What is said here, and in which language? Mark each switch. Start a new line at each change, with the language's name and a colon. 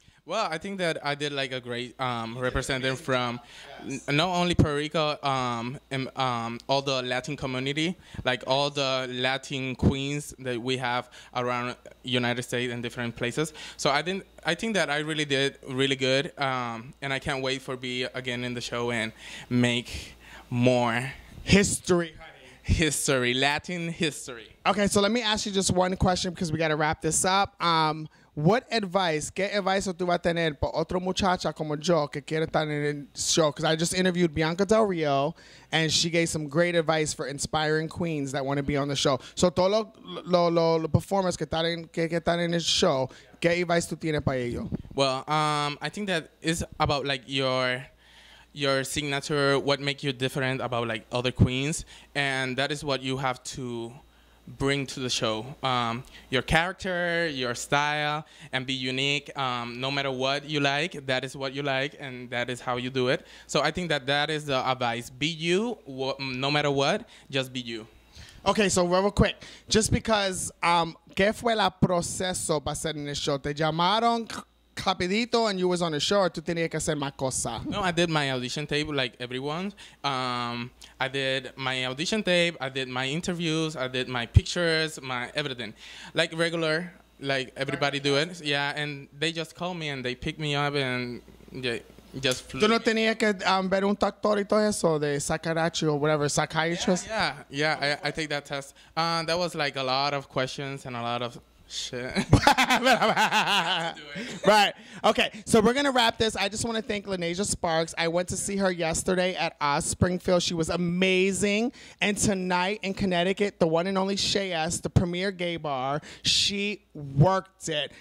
English: Well, I think that I did like a great representative from not only Puerto Rico, all the Latin community, like all the Latin queens that we have around United States and different places. So I think that I really did really good, and I can't wait for be again in the show and make more history. History, Latin history. Okay, so let me ask you just one question because we got to wrap this up.
Spanish: ¿Qué advice tú vas a tener para otra muchacha como yo que quiere estar en el show?
English: Because I just interviewed Bianca Del Rio, and she gave some great advice for inspiring queens that want to be on the show.
Spanish: So todos los performers que están en el show, ¿qué advice tú tienes para ellos?
English: Well, I think that is about like your signature, what makes you different about like other queens, and that is what you have to bring to the show. Your character, your style, and be unique. No matter what you like, that is what you like, and that is how you do it. So I think that is the advice. Be you, no matter what, just be you. Okay, so real quick, just because,
Spanish: ¿qué fue el proceso para hacer en el show? ¿Te llamaron rapidito
English: and you was on the show,
Spanish: or tú tenías que hacer más cosa?
English: No, I did my audition tape like everyone. I did my audition tape, I did my interviews, I did my pictures, my everything. Like regular, like everybody do it. Yeah, and they just call me and they pick me up and they just flew.
Spanish: ¿Tú no tenías que ver un doctor y todo eso de sacarachi o
English: whatever, psychiatrist? Yeah, I take that test. That was like a lot of questions and a lot of shit. Right. Okay. So we're going to wrap this. I just want to thank Lineyshe Sparks. I went to see her yesterday at Springfield. She was amazing. And tonight in Connecticut, the one and only Shea S, the premier gay bar, she worked it.